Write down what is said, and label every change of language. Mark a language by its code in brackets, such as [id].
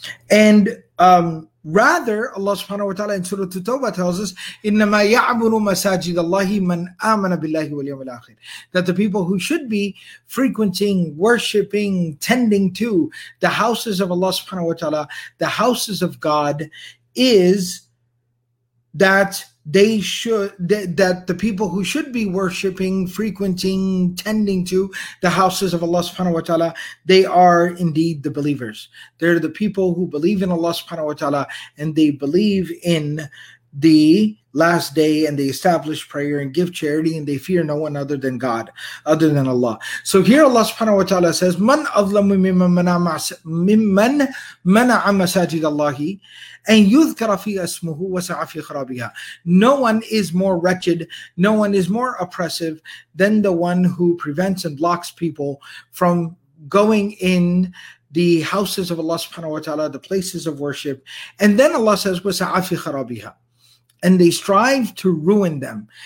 [en] And rather, Allah subhanahu wa ta'ala in Surah At-Tawbah tells us, [ar] إِنَّمَا يَعْمُرُ مَسَاجِدَ اللَّهِ مَنْ آمَنَ بِاللَّهِ وَالْيَوْمِ الْآخِرِ, [en] that the people who should be frequenting, worshipping, tending to the houses of Allah subhanahu wa ta'ala, the houses of God, is that they should, that the people who should be worshipping, frequenting, tending to the houses of Allah subhanahu wa ta'ala, they are indeed the believers. They're the people who believe in Allah subhanahu wa ta'ala and they believe in the last day and they establish prayer and give charity and they fear no one other than God, other than Allah. [ar] So here Allah subhanahu wa ta'ala says, مَنْ أَظْلَمُ مِمَّنْ مَنَعَ مَسَاجِدَ اللَّهِ أَنْ يُذْكَرَ فِي أَسْمُهُ وَسَعَ فِي خَرَابِهَا. [en] No one is more wretched, no one is more oppressive than the one who prevents and blocks people from going in the houses of Allah subhanahu wa ta'ala, the places of worship. And then Allah says, [ar] وَسَعَ فِي خَرَابِهَا, [en] and they strive to ruin them.